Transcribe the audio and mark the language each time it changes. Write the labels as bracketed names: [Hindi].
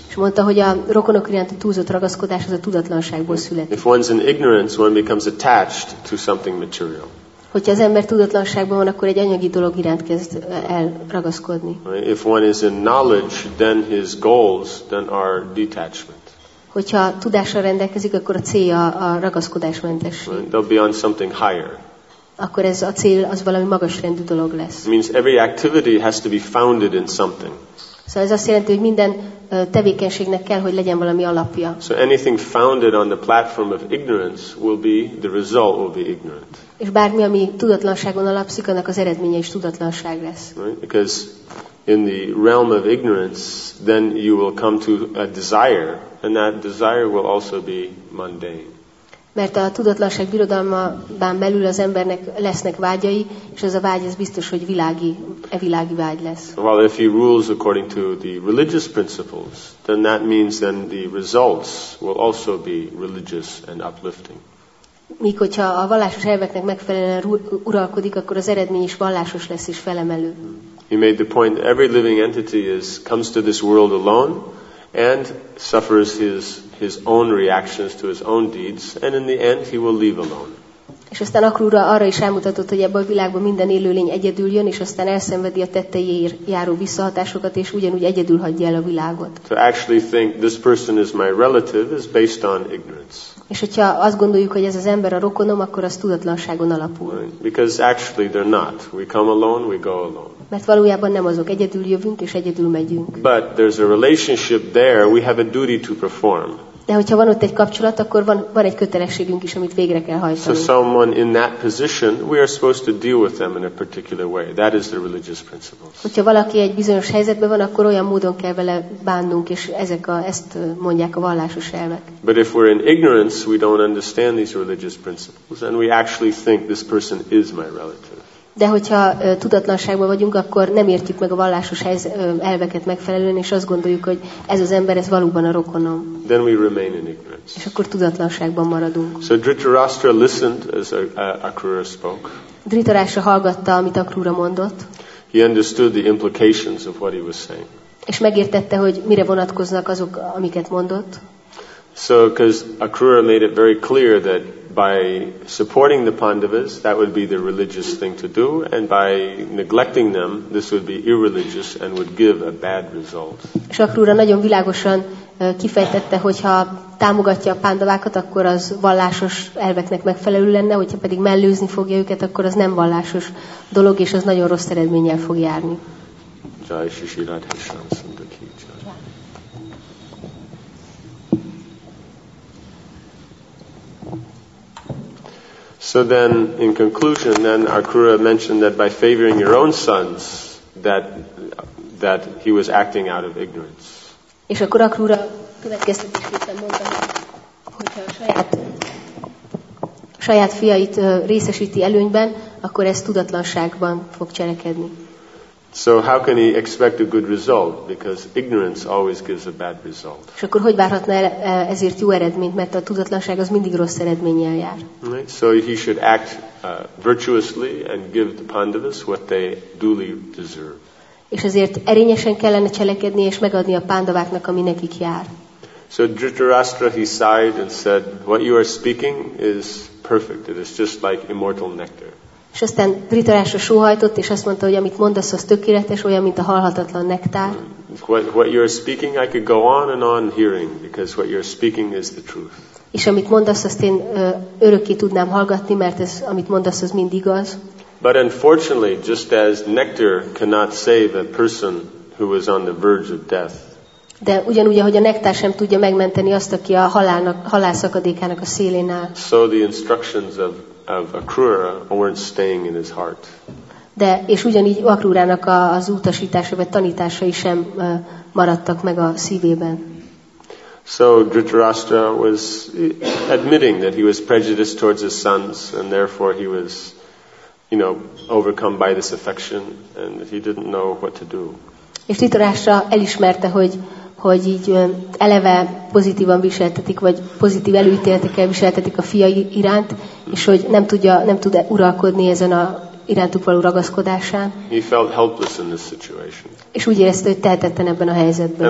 [Hungarian] És mondta, hogy a rokonok iránt a túlzott ragaszkodás az a tudatlanságból születik. [English] If one's in ignorance, one becomes attached to something material. [Hungarian] Hogyha az ember tudatlanságban van, akkor egy anyagi dolog iránt kezd elragaszkodni. [English] If one is in knowledge, then his goals then are detachment. [Hungarian] Hogyha tudásra rendelkezik, akkor a célja a ragaszkodásmentesség. [English] They'll be on something higher. [Hungarian] Akkor ez a cél az valami magas rendű dolog lesz. [English] It means every activity has to be founded in something. [Hungarian] Szóval ez azt jelenti, hogy minden tevékenységnek kell, hogy legyen valami alapja. [English] So anything founded on the platform of ignorance will be, the result will be ignorant. [Hungarian] És bármi, ami tudatlanságon alapszik, annak az eredménye is tudatlanság lesz. [English] Right? Because in the realm of ignorance, then you will come to a desire, and that desire will also be mundane. [Hungarian] Mert a tudatlanság birodalmában belül az embernek lesznek vágyai, és ez a vágy ez biztos, hogy világi, e világi vágy lesz. [English] Well, if he rules according to the religious principles, then that means then the results will also be religious and uplifting. [Hungarian] Míg hogyha a vallásos elveknek megfelelően uralkodik, akkor az eredmény is vallásos lesz és felemelő. [English] He made the point that every living entity comes to this world alone and suffers his own reactions to his own deeds, and in the end he will leave alone. [Hungarian] És aztán Akrúra arra is elmutatott, hogy ebben a világban minden élőlény egyedül jön, és aztán elszenvedi a tetteiért járó visszahatásokat, és ugyanúgy egyedül hagyja el a világot. [English] To actually think this person is my relative is based on ignorance. [Hungarian] És hogyha azt gondoljuk, hogy ez az ember a rokonom, akkor az tudatlanságon alapul. [English] Because actually they're not. We come alone, we go alone. [Hungarian] Mert valójában nem azok, egyedül jövünk és egyedül megyünk. [English] But there's a relationship there, we have a duty to perform. [Hungarian] De hogyha van ott egy kapcsolat, akkor van egy kötelességünk is, amit végre kell hajtani. [English] So someone in that position, we are supposed to deal with them in a particular way. That is the religious principles. [Hungarian] Hogyha valaki egy bizonyos helyzetben van, akkor olyan módon kell vele bánnunk, és ezt mondják a vallásos elvek. [English] But if we're in ignorance, we don't understand these religious principles, and we actually think this person is my relative. [Hungarian] De hogyha tudatlanságban vagyunk, akkor nem értjük meg a vallásos elveket megfelelően, és azt gondoljuk, hogy ez az ember, ez valóban a rokonom. [English] Then we remain in ignorance. [Hungarian] És akkor tudatlanságban maradunk. [English] So Dhritarashtra listened as Akrura spoke. [Hungarian] Dhritarashtra hallgatta, amit Akrura mondott. [English] He understood the implications of what he was saying. [Hungarian] És megértette, hogy mire vonatkoznak azok, amiket mondott. [English] So because Akrura made it very clear that by supporting the Pandavas, that would be the religious thing to do, and by neglecting them, this would be irreligious and would give a bad result. [Hungarian] És Akrura nagyon világosan kifejtette, hogyha támogatja a Pandavákat, akkor az vallásos elveknek megfelelő lenne, hogyha pedig mellőzni fogja őket, akkor az nem vallásos dolog, és az nagyon rossz eredménnyel fog járni. [Hindi] Jai Shri Radhe Shyam Sundar Ki Jai. [English] So then, in conclusion, then Akrura mentioned that by favoring your own sons, that he was acting out of ignorance. [Hungarian] És akkor Akrura következtetésképpen mondta, hogyha saját fiait részesíti előnyben, akkor ez tudatlanságban fog cselekedni. [English] So how can he expect a good result? Because ignorance always gives a bad result. [Hungarian] És akkor hogy várhatna ezért jó eredményt, mert a tudatlanság az mindig rossz eredménnyel jár. [English] So he should act virtuously and give the Pandavas what they duly deserve. [Hungarian] És ezért erényesen kellene cselekedni és megadni a Pandaváknak, ami nekik jár. [English] So Dhritarashtra, he sighed and said, "What you are speaking is perfect. It is just like immortal nectar." [Hungarian] És aztán Dhritarashtra sóhajtott, és azt mondta, hogy amit mondasz, az tökéletes, olyan, mint a halhatatlan nektár. [English] What you're speaking, I could go on and on hearing, because what you're speaking is the truth. [Hungarian] És amit mondasz, azt én örökké tudnám hallgatni, mert ez, amit mondasz, az mind igaz. [English] But unfortunately, just as nectar cannot save a person who is on the verge of death. [Hungarian] De ugyanúgy, ahogy a nektár sem tudja megmenteni azt, aki a halál szakadékának a szélén áll. [English] So the instructions of Akrura weren't staying in his heart. [Hungarian] De és ugyanígy Akrúrának az utasítása vagy tanításai sem maradtak meg a szívében. [English] So Dhritarashtra was admitting that he was prejudiced towards his sons, and therefore he was, you know, overcome by this affection, and he didn't know what to do. [Hungarian] És Dhritarashtra elismerte, hogy így eleve pozitívan viseltetik, vagy pozitív előítéletekkel viseltetik a fiai iránt, és hogy nem tud uralkodni ezen a irántuk való ragaszkodásán. [English] He felt helpless in this situation. [Hungarian] És úgy érezte, hogy tehetetlen ebben a helyzetben.